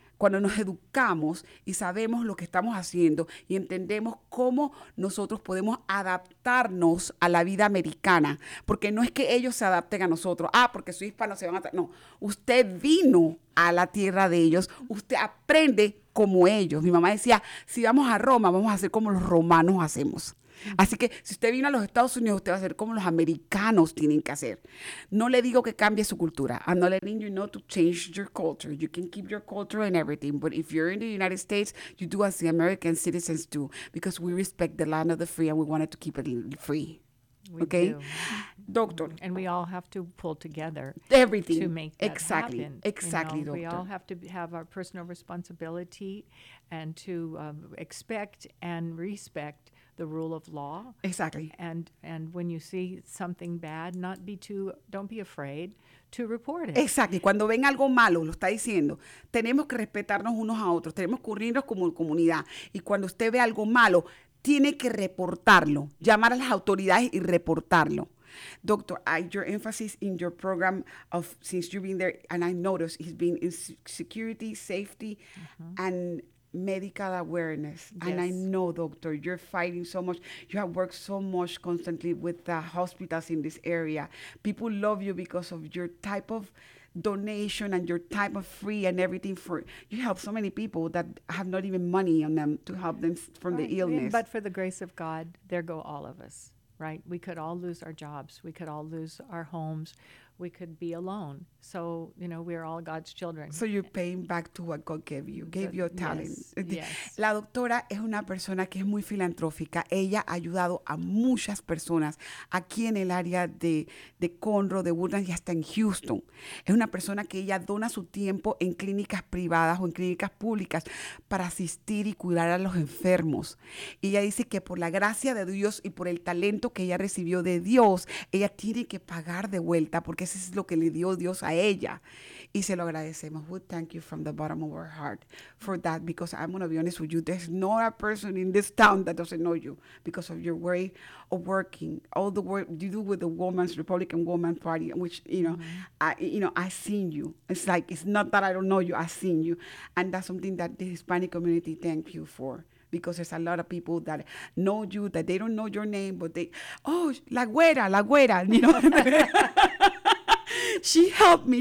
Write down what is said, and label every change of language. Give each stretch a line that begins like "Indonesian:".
Spanish: Cuando nos educamos y sabemos lo que estamos haciendo y entendemos cómo nosotros podemos adaptarnos a la vida americana, porque no es que ellos se adapten a nosotros, porque soy hispano, se van a... No, usted vino a la tierra de ellos, usted aprende como ellos. Mi mamá decía, si vamos a Roma, vamos a hacer como los romanos hacemos. Así que si usted vino a los Estados Unidos, usted va a ser como los americanos tienen que hacer. No le digo que cambie su cultura.
English: I'm not letting you know to change your culture. You can keep your culture and everything. But if you're in the United States, you do as the American citizens do. Because we respect the land of the free and we wanted to keep it free. We do. Doctor. And we all have to pull together. Everything. To make that happen. Exactly, you know, doctor. We all have to have our personal responsibility and to expect and respect the rule of law. Exactly. And when you see something bad, don't be afraid to report it. Exactly.
Spanish: Cuando ven algo malo, lo está diciendo, tenemos que respetarnos unos a otros, tenemos que unirnos como comunidad. Y cuando usted ve algo malo, tiene que reportarlo, llamar a las autoridades y reportarlo.
English: Doctor, your emphasis in your program of since you've been there, and I noticed it's been in security, safety, and medical awareness. Yes. And I know, doctor, you're fighting so much. You have worked so much constantly with the hospitals in this area. People love you because of your type of donation and your type of free and everything. For you help so many people that have not even money on them to help them from right. the illness. But for the grace of God, there go all of us, right? We could all lose our jobs. We could all lose our homes. we could be alone. So, you know, we're all God's children. So you're paying back to what God gave you, gave your talent. Yes, yes.
Spanish: La doctora es una persona que es muy filantrófica. Ella ha ayudado a muchas personas aquí en el área de Conroe, de Woodlands y hasta en Houston. Es una persona que ella dona su tiempo en clínicas privadas o en clínicas públicas para asistir y curar a los enfermos. Y ella dice que por la gracia de Dios y por el talento que ella recibió de Dios, ella tiene que pagar de vuelta porque eso es lo que le dio Dios a ella. Y se lo agradecemos.
English: We thank you from the bottom of our heart for that, because I'm going to be honest with you, there's not a person in this town that doesn't know you because of your way of working, all the work you do with the Women's Republican Woman Party, which, you know, I've seen you. It's like, it's not that I don't know you, I've seen you. And that's something that the Hispanic community thank you for, because there's a lot of people that know you, that they don't know your name, but they, oh,
Spanish: la güera,
English: you know. She helped me.